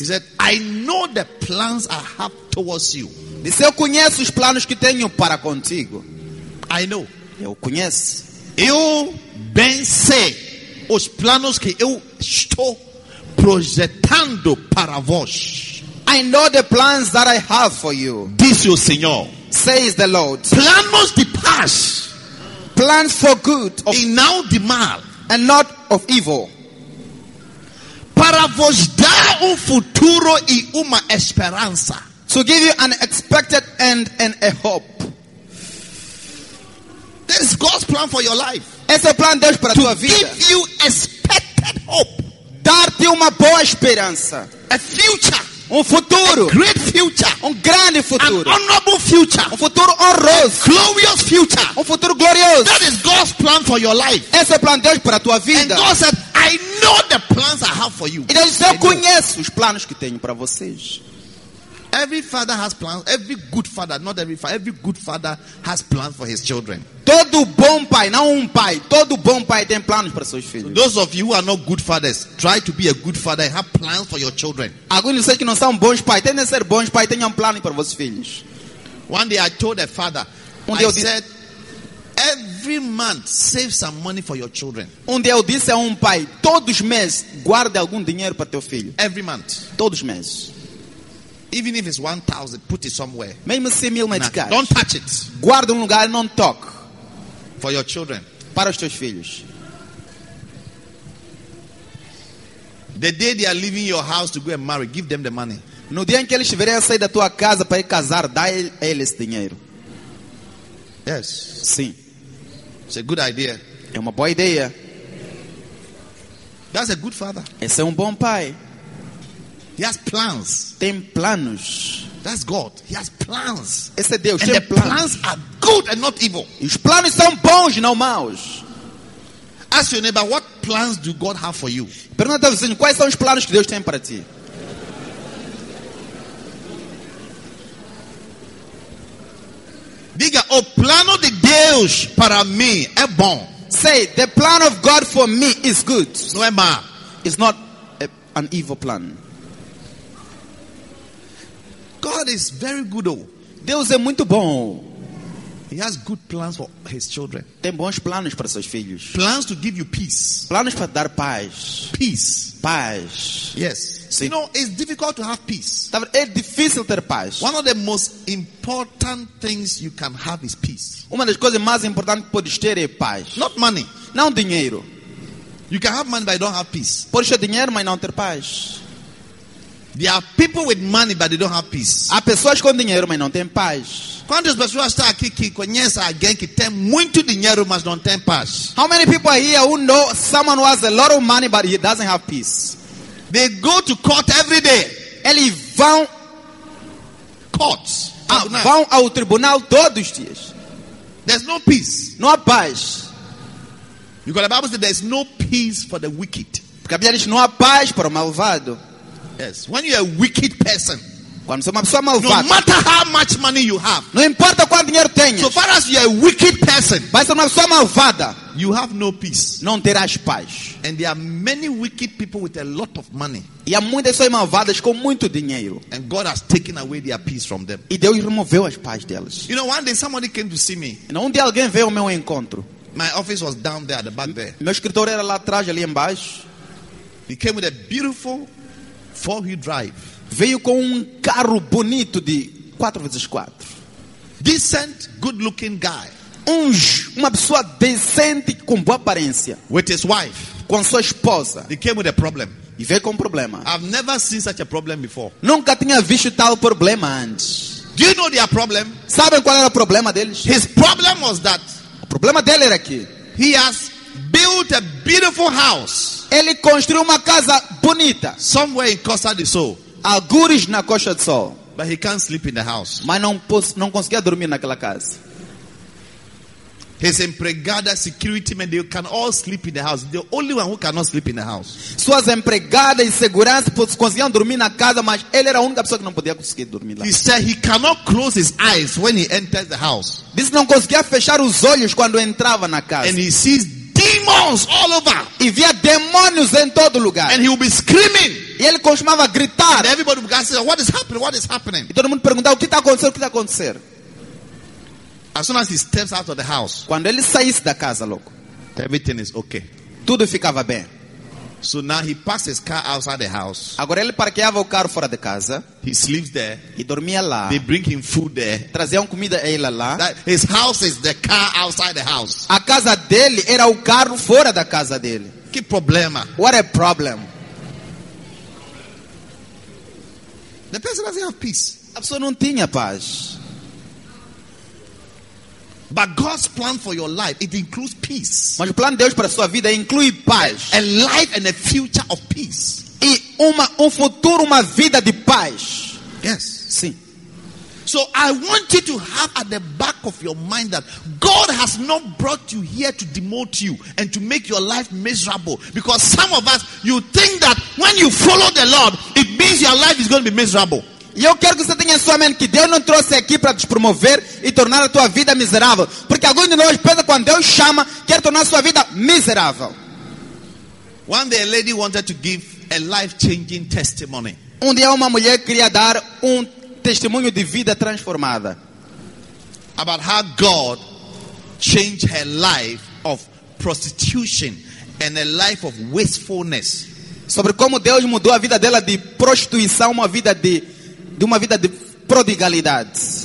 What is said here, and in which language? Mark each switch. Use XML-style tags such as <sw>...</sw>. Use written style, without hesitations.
<en>He said, "I know the plans I have towards you."</en> <pt>Disse, eu conheço os planos que tenho para contigo.</pt> <en>I know.</en> <pt>Eu conheço. Eu bem sei os planos que eu estou projetando para vós.</pt> <en>I know the plans that I have for you.</en> <pt>Diz o Senhor.</pt> <en>Says the Lord.</en> <pt>Planos de paz.</pt> <en>Plans for good.</en> <pt>E não de mal.</pt> <en>And not of evil.</en> <pt>Para para vos dar</pt> <es>un futuro y una esperanza.</es> <en>To give you an expected end and a hope. That is God's plan for your life.</en> <pt>Esse é o plano de Deus para a tua vida.</pt> <en>To give you expected hope.</en> <pt>Dar-te uma boa esperança.</pt> <en>A future.</en> <pt>Um futuro.</pt> <en>A great future.</en> <pt>Um grande futuro.</pt> <en>An honorable future.</en> <pt>Um futuro honroso.</pt> <en>A glorious future.</en> <pt>Um futuro glorioso.</pt> <en>That is God's plan for your life.</en> <pt>Esse é o plano de Deus para a tua vida.</pt> <en>And God said, I know the plans I have for you.</en> <pt>E Deus disse, eu conheço os planos que tenho para vocês.</pt> <en>Every father has plans. Every good father, not every father. Every good father has plans for his children.</en> <pt>Todo bom pai, não pai. Todo bom pai tem planos para seus filhos.</pt> <en>So those of you who are not good fathers, try to be a good father. Have plans for your children.</en> <pt>Alguns de vocês que não são bons pais, tentem ser bons pais. Tenham planos para vossos filhos.</pt> <en>One day I told a father, I said, every month save some money for your children.</en> <pt>Um dia eu disse a pai, todos meses guarde algum dinheiro para teu filho.</pt> <en>Every month.</en> <pt>Todos meses.</pt> <en>Even if it's 1,000, put it somewhere.</en> <pt>Mesmo se mil meticais.</pt> <en>Don't touch it.</en> <pt>Guarda lugar, não toque.</pt> <en>For your children.</en> <pt>Para os teus filhos.</pt> <en>The day they are leaving your house to go and marry, give them the money.</en> <pt>No dia em que eles estiverem a sair da tua casa para ir casar, dá-lhe eles dinheiro.</pt> <en>Yes.</en> <pt>Sim.</pt> <en>It's a good idea.</en> <pt>É uma boa ideia.</pt> <en>That's a good father.</en> <pt>Esse é bom pai.</pt> <en>He has plans.</en> <pt>Tem planos.</pt> <en>That's God. He has plans.</en> <pt>Esse é Deus.</pt> <en>And the plans are good and not evil.</en> <pt>E os planos são bons, não maus.</pt> <en>Ask your neighbor, what plans do God have for you?</en> <pt>Pergunta ao vizinho, quais são os planos que Deus tem para ti? Diga, o plano de Deus para mim é bom.</pt> <en>Say, the plan of God for me is good.</en> <pt>Não é má.</pt> <en>It's not an evil plan. God is very good, oh.</en> <pt>Deus é muito bom.</pt> <en>He has good plans for his children.</en> <pt>Tem bons planos para seus filhos.</pt> <en>Plans to give you peace.</en> <pt>Planos para dar paz.</pt> <en>Peace.</en> <pt>Paz.</pt> <en>Yes. Sim. You know, it's difficult to have peace.</en> <pt>É difícil ter paz.</pt> <en>One of the most important things you can have is peace.</en> <pt>Uma das coisas mais importantes que podes ter é paz.</pt> <en>Not money.</en> <pt>Não dinheiro.</pt> <en>You can have money but you don't have peace.</en> <pt>Podes ter dinheiro mas não ter paz.</pt> <en>There are people with money, but they don't have peace.</en> <pt>Há pessoas com dinheiro, mas não têm paz. Quantas pessoas estão aqui que conhecem alguém que tem muito dinheiro, mas não tem paz?</pt> <en>How many people are here who know someone who has a lot of money, but he doesn't have peace? They go to court every day.</en> <pt>Eles vão</pt> <en>courts.</en> <pt>Vão ao tribunal todos os dias.</pt> <en>There's no peace.</en> <pt>Não há paz.</pt> <en>Because the Bible says there's no peace for the wicked.</en> <pt>Porque a Bíblia diz não há paz para o malvado.</pt> <en>Yes, when you are a wicked person,</en> <pt>quando você é uma pessoa malvada,</pt> <en>no matter how much money you have,</en> <pt>não importa quanto dinheiro tenhas,</pt> <en>so far as you are a wicked person,</en> <pt>mas você é uma pessoa malvada,</pt> <en>you have no peace,</en> <pt>não terás paz.</pt> <en>And there are many wicked people with a lot of money,</en> <pt>e há muitas pessoas malvadas com muito dinheiro,</pt> <en>and God has taken away their peace from them,</en> <pt>e Deus removeu as paz delas.</pt> <en>You know, one day somebody came to see me,</en> <pt>e um dia alguém veio ao meu encontro.</pt> <en>My office was down there at the back there.</en> <pt>Meu escritório era lá atrás, ali embaixo.</pt> <en>He came with a beautiful four-wheel drive.</en> <pt>Veio com carro bonito de 4x4.</pt> <en>Decent, good-looking guy.</en> <pt>Uma pessoa decente com boa aparência.</pt> <en>With his wife.</en> <pt>Com sua esposa.</pt> <en>He came with a problem.</en> <pt>E veio com problema.</pt> <en>I've never seen such a problem before.</en> <pt>Nunca tinha visto tal problema antes.</pt> <en>Do you know their problem?</en> <pt>Sabem qual era o problema deles?</pt> <en>His problem was that.</en> <pt>O problema dele era que.</pt> <en>He has built a beautiful house.</en> <pt>Ele construiu uma casa bonita.</pt> <en>Somewhere in Costa do Sol.</en> <pt>Algures na Costa do Sol.</pt> <en>But he can't sleep in the house.</en> <pt>Mas não conseguia dormir naquela casa.</pt> <en>His empregada, security men, they can all sleep in the house. The only one who cannot sleep in the house.</en> <pt>Suas empregadas e segurança conseguiam dormir na casa, mas ele era a única pessoa que não podia conseguir dormir lá.</pt> <en>He said he cannot close his eyes when he enters the house.</en> <pt>Diz não conseguia fechar os olhos quando entrava na casa.</pt> <en>And he sees demons all over.</en> <pt>E via demônios em todo lugar.</pt> <en>And he will be screaming.</en> <pt>E ele costumava gritar.</pt> <en>And everybody would ask, "What is happening? What is happening?"</en> <pt>E todo mundo perguntava, o que está acontecendo? O que está acontecendo?</pt> <en>As soon as he steps out of the house,</en> <pt>quando ele saísse da casa, logo,</pt> <en>everything is okay.</en> <pt>Tudo ficava bem.</pt> <en>So now he passes his car outside the house.</en> <pt>Agora ele parqueava o carro fora de casa.</pt> <en>He sleeps there.</en> <pt>E dormia lá.</pt> <en>They bring him food there.</en> <pt>Traziam comida a ele lá.</pt> <en>That his house is the car outside the house.</en> <pt>A casa dele era o carro fora da casa dele. Que problema?</pt> <en>What a problem. The person doesn't have peace.</en> <pt>A pessoa não tinha paz.</pt> <en>But God's plan for your life, it includes peace.</en> <pt>Mas o plano de Deus para a sua vida inclui paz.</pt> <en>A life and a future of peace.</en> <pt>E um futuro, uma vida de paz.</pt> <en>Yes.</en> <pt>Sim.</pt> <en>So I want you to have at the back of your mind that God has not brought you here to demote you and to make your life miserable. Because some of us, you think that when you follow the Lord, it means your life is going to be miserable.</en> <pt>E eu quero que você tenha em sua mente que Deus não trouxe aqui para te promover e tornar a tua vida miserável. Porque alguns de nós pensam quando Deus chama, quer tornar a sua vida miserável.</pt> <en>One day a lady wanted to give a life-changing testimony.</en> <pt>Um dia uma mulher queria dar testemunho de vida transformada.</pt> <en>About how God changed her life of prostitution and a life of wastefulness.</en> <pt>Sobre como Deus mudou a vida dela de prostituição, uma vida de prodigalidade.</pt>